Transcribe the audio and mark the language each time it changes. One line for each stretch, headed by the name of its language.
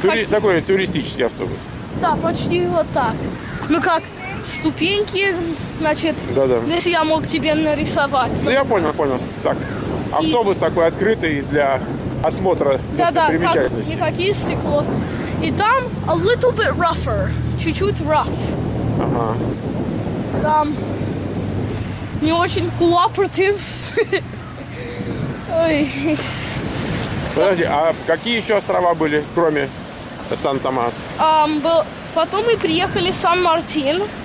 Russian: Такой туристический автобус. Да, почти вот так. Ну, как ступеньки, значит, да-да. Если я мог тебе нарисовать. Ну, я понял, понял. Так, автобус и... такой открытый для осмотра. Да-да, как никакие стекло. И там
English: a little bit rougher.
Russian: Чуть-чуть rough. Ага. Там не очень cooperative. Ой. Подожди, а какие еще острова были, кроме Сан-Томас? Потом мы приехали в Сан-Мартин.